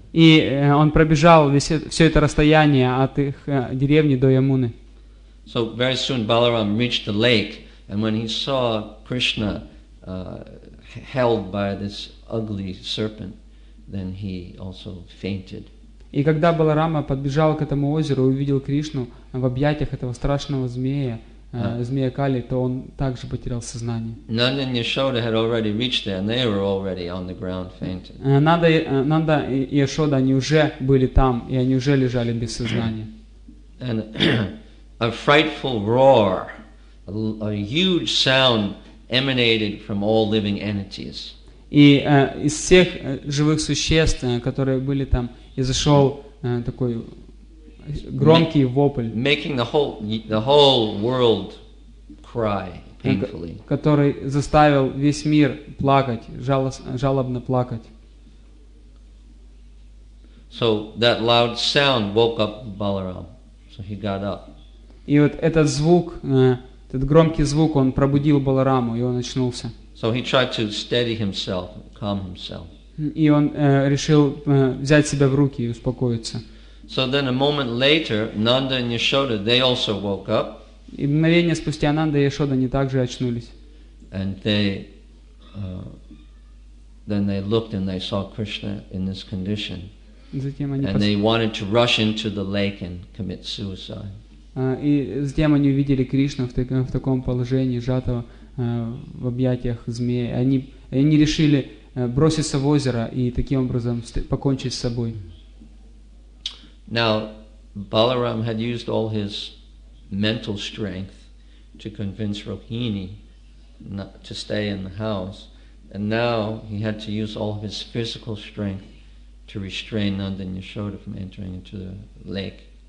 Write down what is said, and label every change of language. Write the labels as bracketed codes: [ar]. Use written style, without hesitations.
[ru] И он пробежал все это расстояние от их деревни до Ямуны. [en] So very soon Balaram reached the lake, and when he saw Krishna held by this ugly serpent, then he also fainted. [ru] И когда Баларама подбежал к этому озеру и увидел Кришну в объятиях этого страшного змея, змея Кали, то он также потерял сознание. [en] Nanda and Yashoda had already reached there, and they were already on the ground fainting. [ru] Nanda и Yashoda, они уже были там, и они уже лежали без сознания. [en] And a frightful roar, a huge sound emanated from all living entities. [ru] И из всех живых существ, которые были там, изошел такой громкий вопль, [en] making the whole world cry painfully, [ru] который заставил весь мир плакать, жалобно плакать. [en] So that loud sound woke up Balaram, so he got up. [ru] И вот этот звук, этот громкий звук, он пробудил Балараму, и он очнулся. [en] So he tried to steady himself, calm himself. [ru] И он решил взять себя в руки и успокоиться. [en] So then a moment later, Nanda and Yashoda, they also woke up. [ru] И мгновение спустя Нанда и Яшода, они также очнулись. [en] And they, then they looked and they saw Krishna in this condition. [ru] Затем они [en] they wanted to rush into the lake and commit suicide. [ru] И затем они увидели Кришну в таком положении, сжатого в объятиях змеи. Они решили броситься в озеро и таким образом покончить с собой. [en] Now, Balaram had used all his mental strength to convince Rohini not to stay in the house, and now he had to use all of his physical strength to restrain Nanda and Yashoda from entering into the lake.